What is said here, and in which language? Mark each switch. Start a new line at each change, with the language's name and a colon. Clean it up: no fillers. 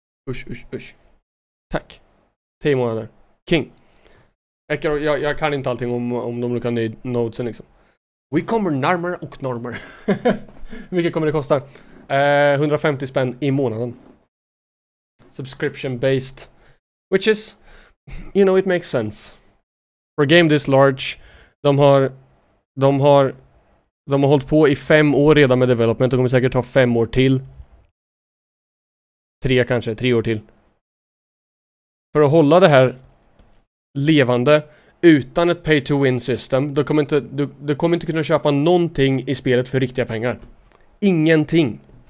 Swedish: Usch. Tack. 10 månader. King. Jag kan inte allting om de olika nodesen liksom. Vi kommer närmare och närmare. Hur mycket kommer det kosta? 150 spänn i månaden.
English: Subscription based, which is, you know, it makes sense for a game this large.
Swedish: De har hållit på i 5 år redan med development och kommer säkert ta 5 år till, 3 år till för att hålla det här levande utan ett pay to win system. Du kommer inte kunna köpa någonting i spelet för riktiga pengar, ingenting.